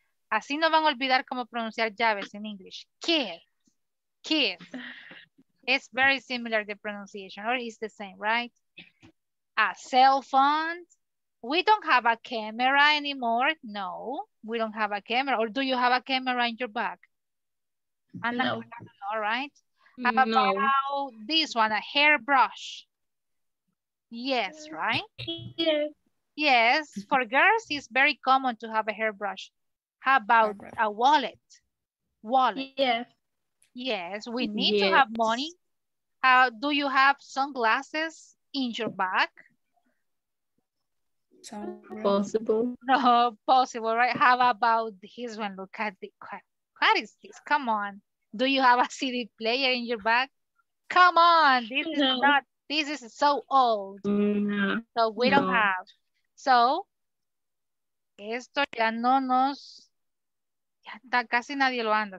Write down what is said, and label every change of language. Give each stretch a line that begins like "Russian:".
Spanish: Así no van a olvidar cómo pronunciar llaves en inglés.
English: Key. Keys. It's very similar the pronunciation, or it's the same, right? A cell phone. We don't have a camera anymore. No, we don't have a camera. Or do you have a camera in your bag? No. All right. How about this one, a hairbrush? Yes, right? Yes. Yes, for girls, it's very common to have a hairbrush. How about a wallet? Wallet. Yes. Yes, we need to have money. How do you have sunglasses in your bag? Possible, right? How about this one? Look at the, what is this? Come on. Do you have a CD player in your bag? Come on, this is not, this is so old. No. So we don't have.
Spanish: So, esto ya no nos, casi nadie lo anda.